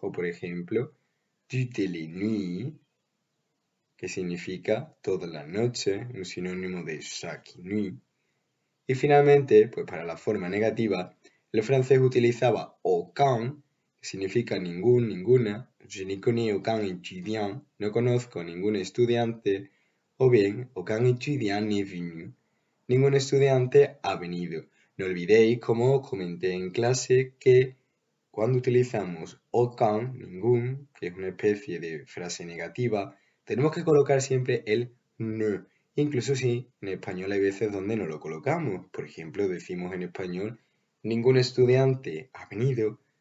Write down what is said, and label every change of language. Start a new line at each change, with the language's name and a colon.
Spanish: O por ejemplo,
French: toutes les nuits,
Spanish: que significa toda la noche, un sinónimo de
French: chaque nuit.
Spanish: Y finalmente, pues para la forma negativa, el francés utilizaba aucun, que significa ningún, ninguna.
French: Je n'y connais aucun étudiant,
Spanish: no conozco a ningún estudiante. O bien,
French: aucun étudiant n'est venu.
Spanish: Ningún estudiante ha venido. No olvidéis, como comenté en clase, que cuando utilizamos aucun, ningún, que es una especie de frase negativa, tenemos que colocar siempre el ne. Incluso si en español hay veces donde no lo colocamos. Por ejemplo, decimos en español, ningún estudiante ha venido.